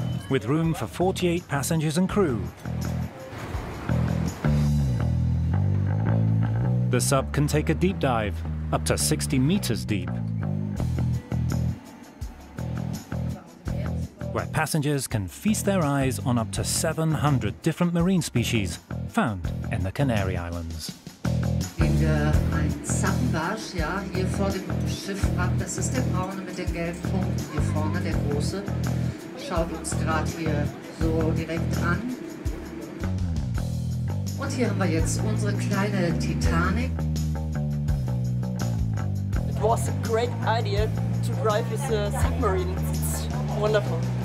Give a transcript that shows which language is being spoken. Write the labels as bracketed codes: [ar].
[en] With room for 48 passengers and crew, the sub can take a deep dive up to 60 meters deep, where passengers can feast their eyes on up to 700 different marine species found in the Canary Islands. [de] In der Sandbarsch, ja, hier vor dem Schiffwrack, das ist der braune mit dem gelben Punkt, hier vorne der große, schaut uns gerade hier so direkt an. Und hier haben wir jetzt unsere kleine Titanic. [en] It was a great idea to drive with a submarine. It's wonderful.